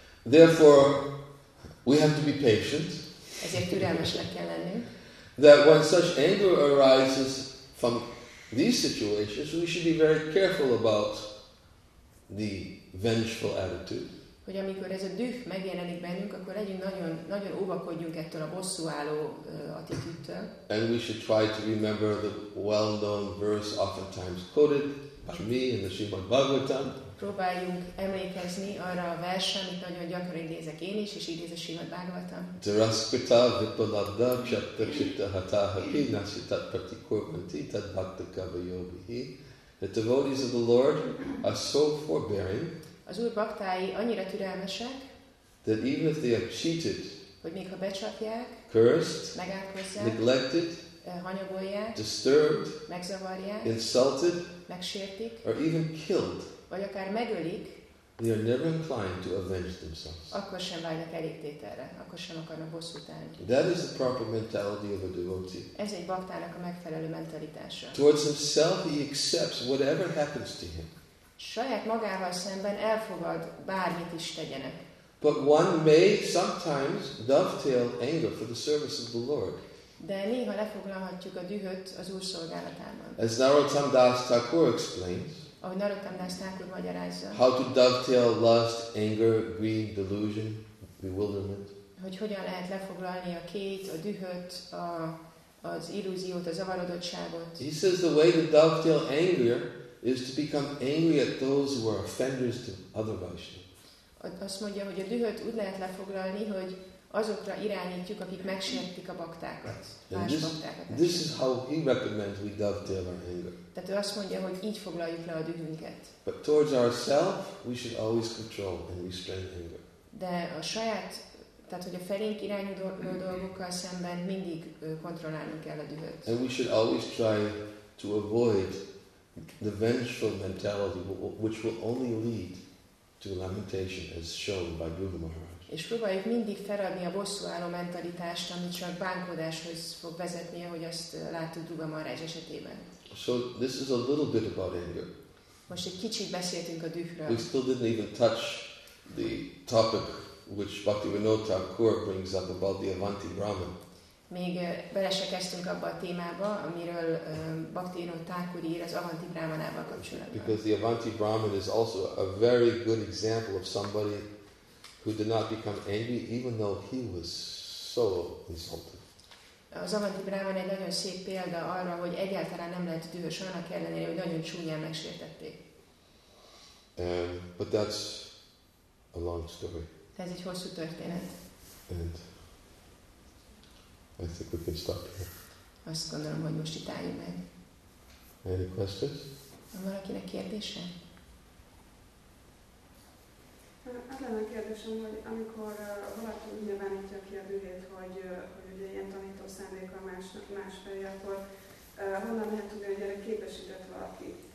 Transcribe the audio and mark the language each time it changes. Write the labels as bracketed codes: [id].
[en] Therefore, we have to be patient. [hu] Ezért türelmesnek kell lenni. [en] That when such anger arises from these situations, we should be very careful about the vengeful attitude. [hu] Hogy amikor ez a düh megjelenik bennünk, akkor legyünk nagyon, nagyon óvakodjunk ettől a bosszúálló attitűdtől. [en] And we should try to remember the well-known verse oftentimes quoted by me in the Srimad Bhagavatam. [hu] Próbáljunk emlékezni arra a versre, amit nagyon gyakran idézek én is, és idéz a Srimad Bhagavatam. [sa] Taraskrita vipaladda kshattakshita hataha kinasitat pratikurvanti tad bhaktakava yogihi. [en] The devotees of the Lord are so forbearing. [hu] Az úr baktái annyira türelmesek, [en] that even if they are cheated, [hu] hogy még ha becsapják, [en] cursed, [hu] megálkozzák, [en] neglected, [hu] hanyagolják, [en] disturbed, [hu] megzavarják, [en] insulted, [hu] megsértik, [en] or even killed, [hu] vagy akár megölik, [en] they are never inclined to avenge themselves. [hu] Akkor sem vágynak elégtételre, akkor sem akarnak bosszút állni. [en] That is the proper mentality of a devotee. [hu] Ez egy baktának a megfelelő mentalitása. [en] Towards himself he accepts whatever happens to him. [hu] Saját magával szemben elfogad, bármit is tegyenek. [en] But one may sometimes dovetail anger for the service of the Lord. [hu] De néha lefoglalhatjuk a dühöt az Úr szolgálatában. [en] As Narottam Das Thakur explains, [hu] ahogy Narottam Das Thakur magyarázza, [en] how to dovetail lust, anger, greed, delusion, bewilderment. [hu] Hogy hogyan lehet lefoglalni a két, a dühöt, az illúziót, a zavarodottságot. [en] He says the way to dovetail anger is to become angry at those who are offenders to other Vaishnavas. [hu] Azt mondja, hogy a dühöt úgy lehet lefoglalni, hogy azokra irányítjuk, akik megsértik a baktákat. [en] This is how he recommends we dovetail our anger. [hu] Tehát ő azt mondja, hogy így foglaljuk le a dühünket. [en] But towards ourselves, we should always control and restrain anger. [hu] De a saját, tehát hogy a felénk irányuló dolgokkal szemben mindig kontrollálnunk kell a dühöt. [en] And we should always try to avoid the vengeful mentality, which will only lead to lamentation, as shown by Buddha Maharaj. [hu] És próbáljuk mindig feladni a bosszúálló mentalitást, ami csak bánkodáshoz fog vezetni, ahogy azt láttuk Buddha Maharaj esetében. [en] So this is a little bit about anger. [hu] Most egy kicsit beszéltünk a dühről. [en] We still didn't even touch the topic which Bhaktivinoda Thakur brings up about the Avanti Brahman. [hu] Még bele se kezdtünk abba a témába, amiről Bhaktivinoda Thakur ír az Avanti Brahmanával kapcsolatban. [en] Because the Avanti Brahman is also a very good example of somebody who did not become angry even though he was so insulted. [hu] Az Avanti Brahman egy nagyon szép példa arra, hogy egyáltalán nem lehet dühös annak ellenére, hogy nagyon csúnyán megsértették. [en] But that's a long story. [hu] Ez egy hosszú történet. [en] And I think we can stop here. [hu] Azt gondolom, hogy most itt álljunk meg. [en] Any questions? [hu] Van valakinek kérdése? Az lenne kérdésem, hogy amikor valaki nyilvánítja ki a dühét, hogy ugye ilyen tanító szándéka más felé, akkor honnan lehet tudni, hogy erre képesített valaki?